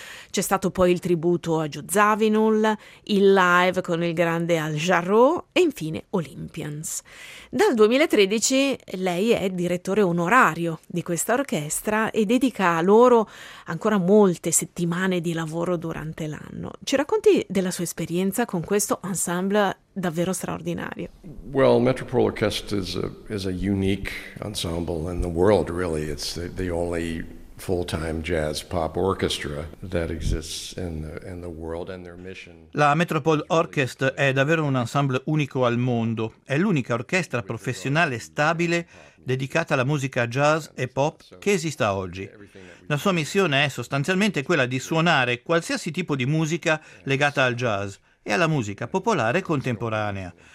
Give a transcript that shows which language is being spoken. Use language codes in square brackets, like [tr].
[it] C'è stato poi il tributo a Joe Zawinul, il live con il grande Al Jarreau e infine Olympians. Dal 2013 lei è direttore onorario di questa orchestra e dedica a loro ancora molte settimane di lavoro durante l'anno. Ci racconti della sua esperienza con questo ensemble davvero straordinario? [en] Well, Metropole Orchestra is a unique ensemble in the world, really. It's the only full-time jazz pop orchestra that exists in the world, and their mission. [it] La Metropole Orchestra è davvero un ensemble unico al mondo. È l'unica orchestra professionale stabile dedicata alla musica jazz e pop che esista oggi. La sua missione è sostanzialmente quella di suonare qualsiasi tipo di musica legata al jazz e alla musica popolare contemporanea.